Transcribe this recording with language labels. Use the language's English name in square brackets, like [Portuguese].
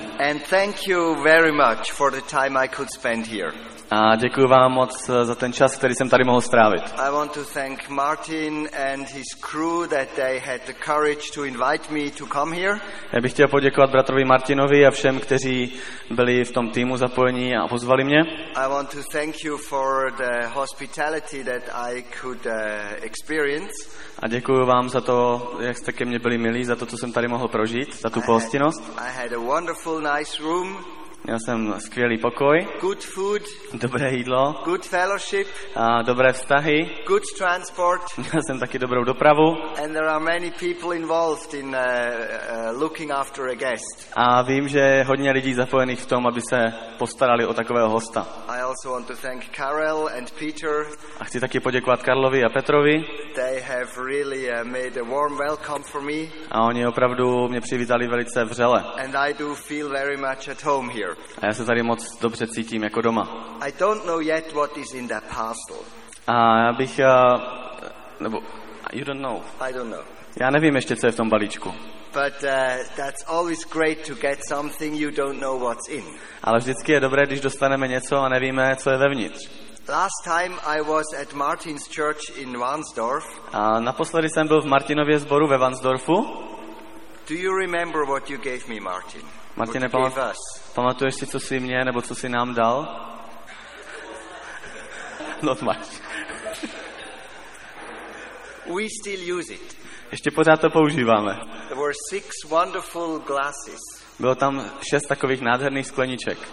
[English] And thank you very much for the time I could spend here. [Czech] A děkuji vám moc za ten čas, který jsem tady mohl strávit. [English] I want to thank Martin and his crew that they had the courage to invite me to come here. [Czech] Já bych chtěl poděkovat bratrovi Martinovi a všem, kteří byli v tom týmu zapojení a pozvali mě. [English] I want to thank you for the hospitality that I could experience. [Czech] A děkuji vám za to, jak jste ke mně byli milí, za to, co jsem tady mohl prožít, za tu pohostinnost. [English] I had a wonderful nice room. [Czech] Měl jsem skvělý pokoj, [English] good food, [Czech] dobré jídlo, [English] good fellowship, [Czech] a dobré vztahy, [English] good transport, [Czech] měl jsem taky dobrou dopravu, [English] and there are many people involved in looking after a guest. [Czech] A vím, že je hodně lidí zapojených v tom, aby se postarali o takového hosta. [English] I also want to thank Karel and Peter. [Czech] A chci taky poděkovat Karlovi a Petrovi. [English] They have really made a warm welcome for me. [Czech] A oni opravdu mě přivítali velice vřele. [English] And I do feel very much at home here. [Czech] A já se tady moc dobře cítím jako doma. [English] I don't know yet what is in that parcel. [Czech] A já bych nebo [English] you don't know. I don't know. [Czech] Já nevím ještě, co je v tom balíčku. [English] But that's always great to get something you don't know what's in. [Czech] Ale vždycky je dobré, když dostaneme něco a nevíme, co je vevnitř. [English] Last time I was at Martin's church in Varnsdorf. [Czech] A naposledy jsem byl v Martinově sboru ve Varnsdorfu. [English] Do you remember what you gave me, Martin? [Czech] Martine, pamatuješ si, co jsi mě nebo co jsi nám dal? [English] Not much. We still use it. [Czech] Ještě pořád to používáme. [English] There were six wonderful glasses. [Czech] Bylo tam šest takových nádherných skleniček.